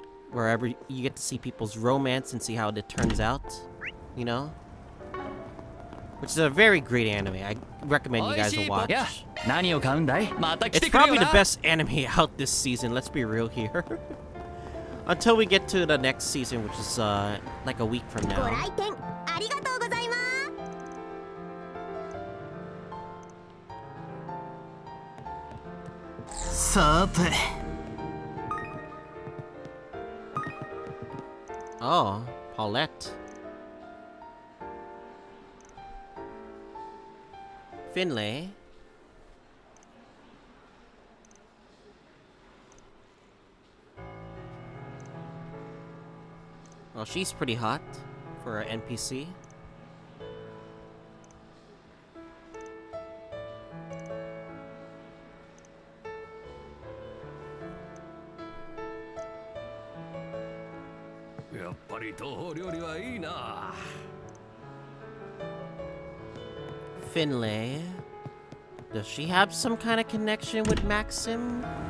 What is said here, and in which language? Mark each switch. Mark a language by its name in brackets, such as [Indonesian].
[English] Wherever you get to see people's romance and see how it turns out, you know? Which is a very great anime. I recommend you guys to watch. Yeah. [Japanese] 何を買うんだい? また来てくれよな! [English] It's probably the best anime out this season, let's be real here. Until we get to the next season, which is like a week from now. [Japanese] ご来店ありがとうございます。 さて。 [English] Oh, Paulette. Finlay. Well, she's pretty hot for an NPC. [Japanese] やっぱり東方料理はいいな。 [English] Finlay, does she have some kind of connection with Maxim?